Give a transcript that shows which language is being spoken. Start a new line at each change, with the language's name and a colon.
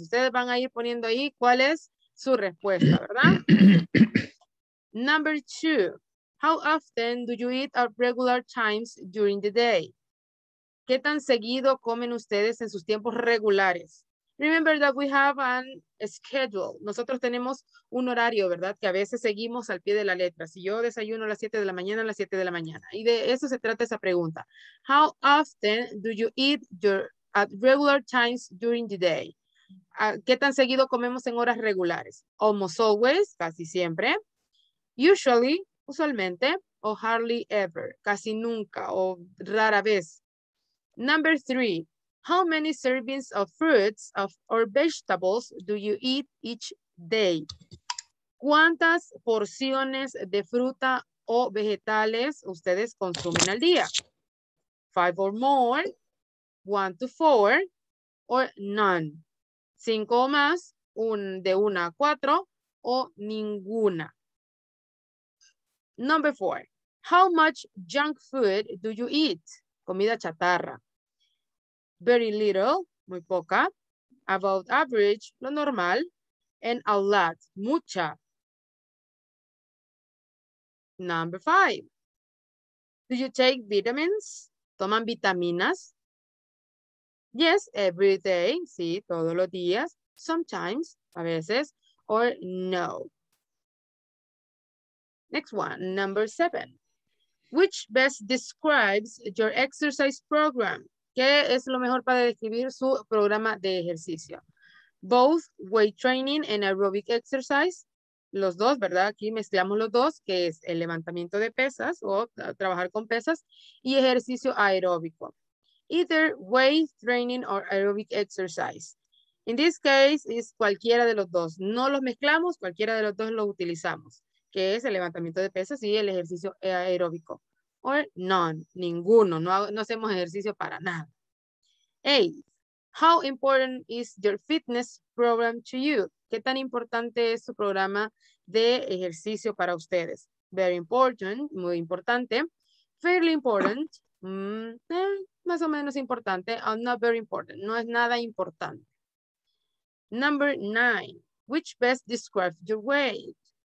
Spanish: Ustedes van a ir poniendo ahí cuál es su respuesta, ¿verdad?
English: Number 2. How often do you eat at regular times during the day?
Spanish: ¿Qué tan seguido comen ustedes en sus tiempos regulares?
English: Remember that we have an schedule.
Spanish: Nosotros tenemos un horario, ¿verdad? Que a veces seguimos al pie de la letra. Si yo desayuno a las 7 de la mañana, a las 7 de la mañana. Y de eso se trata esa pregunta.
English: How often do you eat at regular times during the day?
Spanish: ¿Qué tan seguido comemos en horas regulares?
English: Almost always,
Spanish: casi siempre.
English: Usually,
Spanish: usualmente, o
English: hardly ever,
Spanish: casi nunca, o rara vez.
English: Number 3, how many servings of fruits or vegetables do you eat each day?
Spanish: ¿Cuántas porciones de fruta o vegetales ustedes consumen al día?
English: 5 or more, 1 to 4, or none.
Spanish: 5 o más, de 1 a 4, o ninguna.
English: Number 4, how much junk food do you eat?
Spanish: Comida chatarra.
English: Very little,
Spanish: muy poca,
English: about average,
Spanish: lo normal,
English: and a lot,
Spanish: mucha.
English: Number 5, do you take vitamins?
Spanish: ¿Toman vitaminas?
English: Yes, every day,
Spanish: sí, todos los días,
English: sometimes,
Spanish: a veces,
English: or no. Next one, number 7, which best describes your exercise program?
Spanish: ¿Qué es lo mejor para describir su programa de ejercicio?
English: Both weight training and aerobic exercise.
Spanish: Los dos, ¿verdad? Aquí mezclamos los dos, que es el levantamiento de pesas o trabajar con pesas y ejercicio aeróbico.
English: Either weight training or aerobic exercise. In this case,
Spanish: es cualquiera de los dos. No los mezclamos, cualquiera de los dos lo utilizamos, que es el levantamiento de pesas y el ejercicio aeróbico.
English: Or none,
Spanish: ninguno, no hacemos ejercicio para nada.
English: Eight, how important is your fitness program to you?
Spanish: ¿Qué tan importante es su programa de ejercicio para ustedes?
English: Very important,
Spanish: muy importante.
English: Fairly important,
Spanish: más o menos importante.
English: I'm not very important,
Spanish: no es nada importante.
English: Number nine, which best describes your weight?